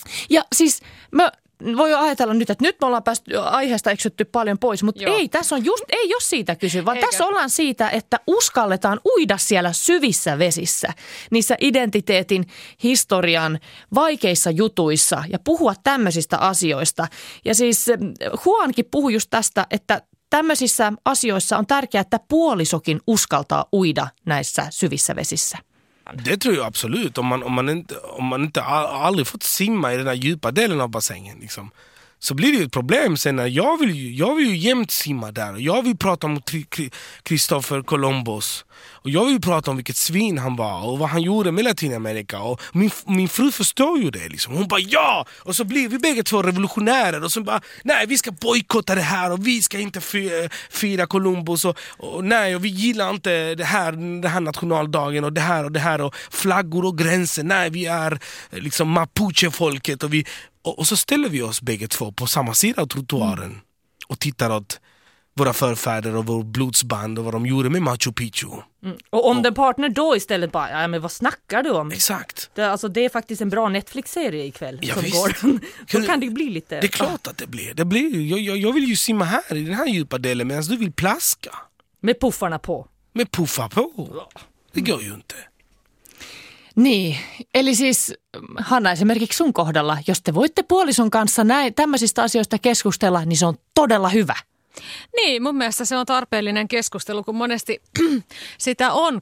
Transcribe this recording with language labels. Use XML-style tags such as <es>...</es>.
<fi>Ja siis mä voin jo ajatella nyt, että nyt me ollaan päästy aiheesta eksytty paljon pois, mutta joo. Ei, tässä on just, ei ole siitä kysy, vaan eikä. Tässä ollaan siitä, että uskalletaan uida siellä syvissä vesissä, niissä identiteetin, historian, vaikeissa jutuissa ja puhua tämmöisistä asioista. Ja siis Huankin puhui just tästä, että tämmöisissä asioissa on tärkeää, että puolisokin uskaltaa uida näissä syvissä vesissä.</fi> <sv>Det tror jag absolut, om man inte aldrig fått simma i den här djupa delen av bassängen liksom, så blir det ju ett problem sen. Jag vill ju jämt simma där och jag vill prata om Christopher Columbus och jag vill prata om vilket svin han var och vad han gjorde med Latinamerika och min fru förstår ju det liksom. Hon bara ja, och så blir vi bägge två revolutionärer och så bara nej, vi ska bojkotta det här och vi ska inte fira Columbus och nej, och vi gillar inte den här nationaldagen och det här och flaggor och gränser, nej, vi är liksom Mapuche-folket och vi. Och så ställer vi oss bägge två på samma sida av trottoaren och tittar åt våra förfäder och vår blodsband och vad de gjorde med Machu Picchu. Och om den partner då istället bara, ja men vad snackar du om? Exakt. Det är faktiskt en bra Netflix-serie ikväll. Ja, som går. Då kan det bli lite. Det är klart att det blir. Det blir. Jag vill ju simma här i den här djupa delen medan du vill plaska. Med puffarna på. Med puffar på. Det går ju inte.</sv> <fi>Niin, eli siis Hanna, esimerkiksi sun kohdalla, jos te voitte puolison kanssa tämmöisistä asioista keskustella, niin se on todella hyvä. Niin, mun mielestä se on tarpeellinen keskustelu, kun monesti sitä on.</fi>